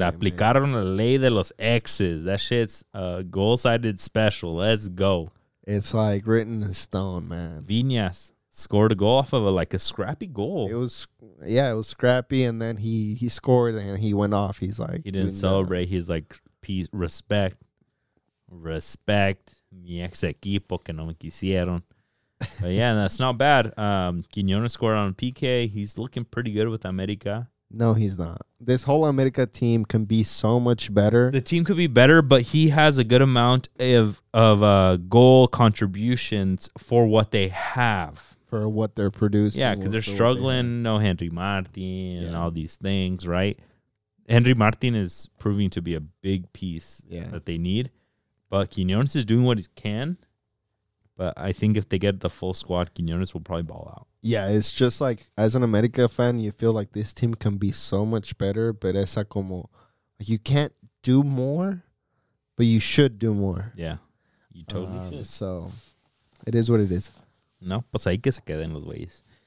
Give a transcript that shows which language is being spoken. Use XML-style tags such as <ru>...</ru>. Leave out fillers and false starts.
<es>le aplicaron la ley de los exes.</es> <en>That shit's a goal-sided special. Let's go. It's like written in stone, man. Viñas scored a goal off of a scrappy goal. It was scrappy, and then he scored, and he went off. He's like, he didn't celebrate. He's like, peace, respect,</en> <es>mi ex equipo que no me quisieron.</es> <en>But yeah, that's not bad. Quiñones scored on PK. He's looking pretty good with America. No, he's not. This whole America team can be so much better. The team could be better, but he has a good amount of goal contributions for what they have. For what they're producing. Yeah, because they're struggling. No Henry Martin and all these things, right? Henry Martin is proving to be a big piece that they need. But Quiñones is doing what he can. But I think if they get the full squad, Quiñones will probably ball out. Yeah, it's just like, as an America fan, you feel like this team can be so much better. But it's like you can't do more, but you should do more. Yeah, you totally should. So it is what it is.</en> <es>No, pues ahí que se queden los güeyes.</es>